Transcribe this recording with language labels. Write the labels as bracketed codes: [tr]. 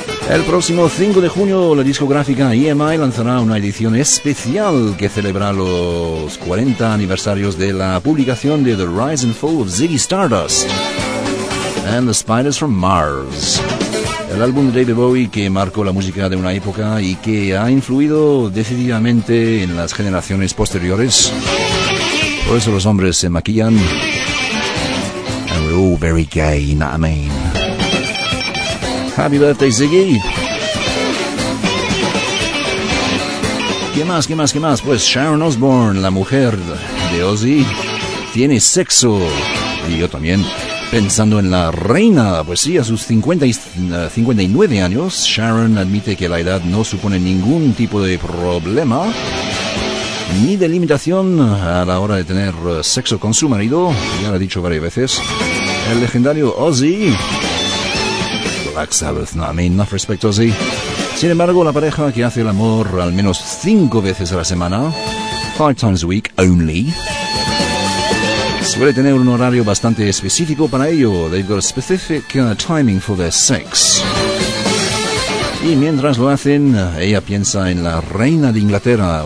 [es] El próximo 5 de junio, la discográfica EMI lanzará una edición especial que celebra los 40 aniversarios de la publicación de The Rise and Fall of Ziggy Stardust and The Spiders from Mars. El álbum de David Bowie que marcó la música de una época y que ha influido decididamente en las generaciones posteriores. Por eso los hombres se maquillan. [en] And we're all very gay, you know what I mean? Happy birthday, Ziggy. [es] ¿Qué más? Pues Sharon Osbourne, la mujer de Ozzy, tiene sexo. Y yo también, pensando en la reina. Pues sí, a sus 59 años, Sharon admite que la edad no supone ningún tipo de problema ni de limitación a la hora de tener sexo con su marido. Ya lo he dicho varias veces. El legendario Ozzy. Black Sabbath, no, [en] I mean, enough respect, Ozzy. [es] Sin embargo, la pareja que hace el amor al menos 5 veces a la semana, [en] 5 times a week only, [es] suele tener un horario bastante específico para ello. [en] They've got a specific timing for their sex. [es] Y mientras lo hacen, ella piensa en la reina de Inglaterra.